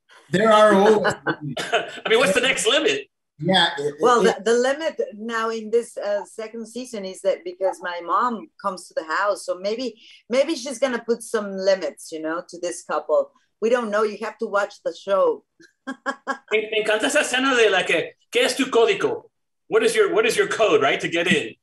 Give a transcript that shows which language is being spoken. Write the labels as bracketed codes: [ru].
[en] There are always limits. I mean, what's the next limit? Yeah. The limit now in this second season is that because my mom comes to the house, so maybe she's going to put some limits, you know, to this couple. We don't know. You have to watch the show. [es] Me encanta esa escena de la que, ¿qué es tu código? [en] What is your code, right, to get in?